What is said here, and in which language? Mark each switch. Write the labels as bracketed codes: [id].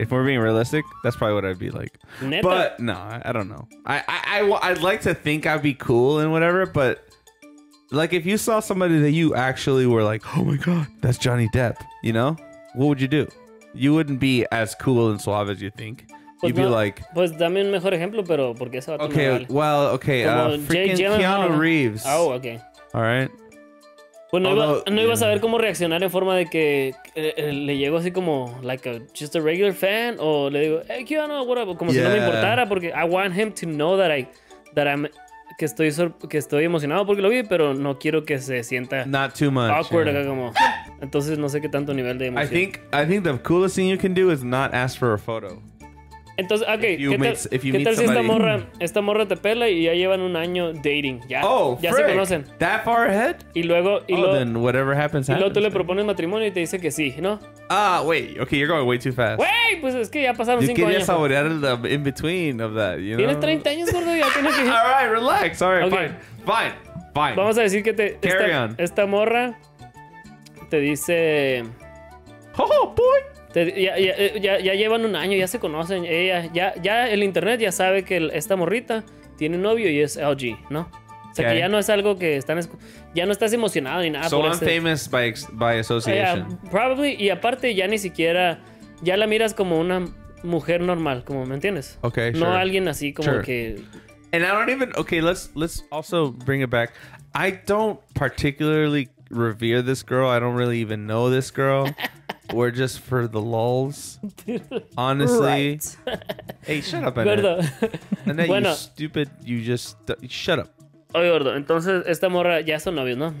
[en] If we're being realistic, that's probably what I'd be like. [es] ¿Neta? [en] But no, I don't know. I'd like to think I'd be cool and whatever, but like if you saw somebody that you actually were like, oh my God, that's Johnny Depp, you know, what would you do? You wouldn't be as cool and suave as you think. [es] Pues [en] you'd be like, [es] pues dame un mejor ejemplo, pero porque eso va a tomar. [en] Okay, [es] mal. [en] Well, okay, freaking Keanu Reeves. Oh, okay. All right. [es] Pues no, ibas a ver cómo reaccionar en forma de que le llego así como [en] like a, just a regular fan, [es] o le digo, hey, ¿qué onda? [en] What up? [es] Como si no me importara, porque [en] I want him to know that I'm [es] emocionado porque lo vi, pero no quiero que se sienta [en] not too much, awkward [es] acá como. Entonces no sé qué tanto nivel de emoción. [en] I think the coolest thing you can do is not ask for a photo. [es] Entonces, okay, ¿qué tal si esta morra te pela y ya llevan un año [en] dating? [es] Ya [en] frick, [es] se conocen. [en] That far ahead? [es] Y luego tú le propones matrimonio y te dice que sí, ¿no? [en] Ah, wait, okay, you're going way too fast. [es] Wey, pues es que ya pasaron 5 años. Yo quería saborear el [en] in between of that, you know? [es] Tienes 30 años, gordo, ya tienes que... [en] All right, relax, all right, okay. Fine. [es] Vamos a decir que esta morra te dice... [en] Oh, boy. [es] Ya llevan un año, ya se conocen. Ya el internet ya sabe que esta morrita tiene un novio y es LG, ¿no? O sea, okay, que ya no es algo que están... Ya no estás emocionado ni nada. [en] So I'm famous by association. Probably. [es] Y aparte, ya ni siquiera... Ya la miras como una mujer normal, como, ¿me entiendes? [en] Okay, sure. [es] No alguien así como [en] sure. [es] que... [en] And I don't even... Okay, let's also bring it back. I don't particularly revere this girl. I don't really even know this girl. We're just for the lulz. Honestly. Right. Hey, shut up, Annette. And then [es] bueno, [en] you stupid, you just shut up. [es] Oye, gordo, entonces esta morra ya son novios, ¿no?